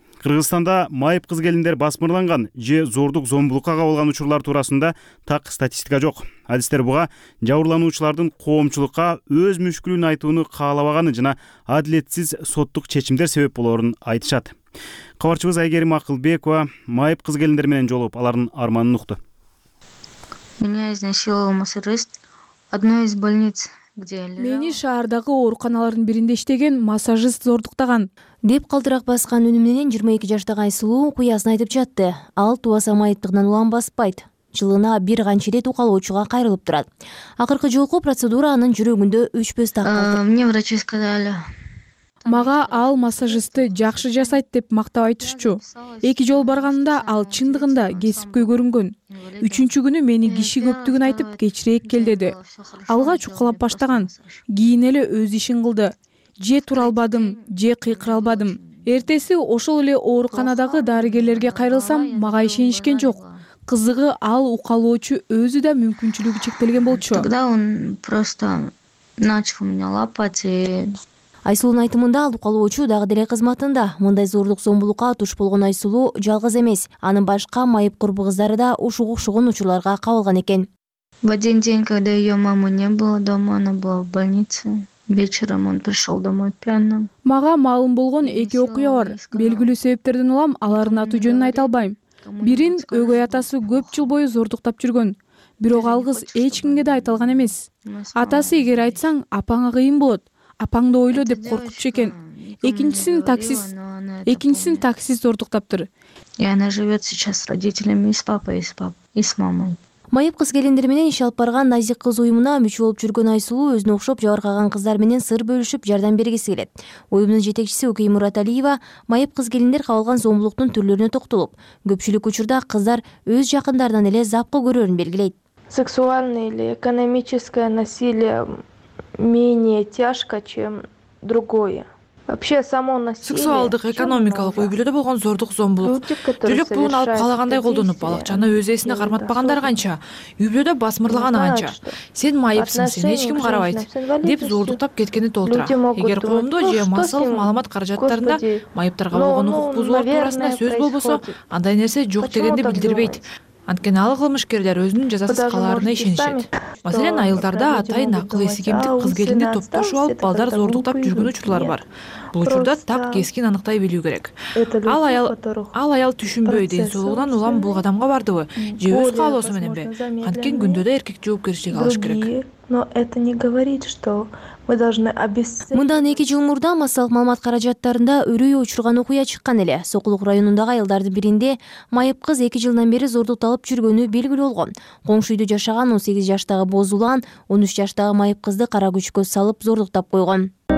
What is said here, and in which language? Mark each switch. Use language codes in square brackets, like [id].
[ky] Кыргызстанда майып кыз келиндер басмырланган же зордук зомбулукка кабылган учурлар туурасында так статистика жок. Адистер буга жабырлануучулардын коомчулукка өз мүшкүлүн айтууну каалабаганы жана адилетсиз соттук чечимдер себеп болорун айтышат. Кабарчыбыз Айгерим Акылбекова майып кыз келиндер менен жолугуп алардын арманын укту. [ru] Меня изнасиловал массажист одной из больниц [ky] Мени шаардагы ооруканалардын биринде иштеген массажист зордуктаган деп калтырак баскан үнү менен 22 жаштагы Айсылуу куясын айтып жатты. Ал тубаса майыптыгынан улам баспайт. Жылына бир канча ирет укалоочуга кайрылып турат. Акыркы жолку процедура анын жүрөгүндө өчпөс так калды. [ru] Мне врачи сказали. [ky] Мага ал массажисты жакшы жасайт деп мактап айтышчу. Эки жол барганымда ал чындыгында кесипкөй көрүнгөн. Үчүнчү күнү мени киши көптүгүн айтып кечирээк кел деди. Алгач укалап баштаган, кийин эле өз ишин кылды. Же тура албадым, же кыйкыра албадым. Эртеси ошол эле ооруканадагы дарыгерлерге кайрылсам, мага ишенишкен жок. Кызыгы ал укалоочу өзү да мүмкүнчүлүгү чектелген болчу. [ru] Тогда он просто начал меня лапать и... [ky] Айсулунун айтымында ал укалоочу дагы деле кызматында. Мындай зордук зомбулукка туш болгон Айсулуу жалгыз эмес. Анын башка майып курбу кыздары да ушуга окшогон учурларга кабылган экен. [ru] В один день, когда её мамы не было дома, она была в больнице. Вечером он пришёл домой пьяным. [ky] Мага маалым болгон эки окуя бар. Белгилүү себептерден улам алардын аты-жөнүн айта албайм. Бирин өгөй атасы көп жыл бою зордуктап жүргөн. Бирок ал кыз эч кимге да айталган эмес. Атасы эгер айтсаң, апаңа кыйын болот. Апаңды ойло деп коркутчу экен. Экинчисин таксист зордуктаптыр. [ru] И она живет сейчас с родителями, с папой, с мамой. [ky] Майып кыз келиндер менен иш алып барган Назик кыз уюмуна мүчө болуп жүргөн Айсулуу өзүнө окшоп жабыркаган кыздар менен сыр бөлүшүп жардам бергиси келет. Уюмдун жетекчиси Укей Мураталиева майып кыз келиндер кабылган зомбулуктун түрлөрүнө токтолуп, көпчүлүк учурда кыздар өз жакындарынан эле запкы көрөрүн белгилейт. [ru] Сексуальное или экономическое насилие менее тяжко, чем другое. Вообще само насилие. [ky] Сексуалдык экономикалык үйгүлөрдө болгон зордук зомбулук. Жүрөк бугун алып калагандай колдонуп алып, жана өз эсине карматпагандар канча, үйгүлөрдө басмырлаганы канча. Сен майыпсың, сени эч ким карабайт деп зордуктап кеткени толтура. Эгер коомдо же массалык маалымат каражаттарында майыптарга болгон укук бузулуу туурасында сөз болбосо, андай нерсе жок дегенди билдирбейт. Анткени ал кылмышкерлер өзүнүн жазасыз калаарына ишенишет. Маселен, айылдарда атайын акыл эси кемдик кыз келинди топтошуп алып, балдар зордуктап жүргөн учурлар бар. Бул учурда так кескин аныктай билүү керек. Ал аял түшүнбөй, ден соолугунан улам бул адамга бардыбы же өз каалоосу мененби? Анткени күндө да эркек жоопкерчилик алыш керек. [ru] Но это не говорит, что мы должны обесценить. [ky] Мындан эки жыл мурда массалык маалымат каражаттарында өрөй учурган окуя чыккан эле. Сокулук районундагы айылдардын биринде майып кыз эки жылдан бери зордукталып жүргөнү белгилүү болгон. Коңшу үйдө жашаган 18 жаштагы боз улан 13 жаштагы майып кызды кара күчкө салып зордуктап койгон.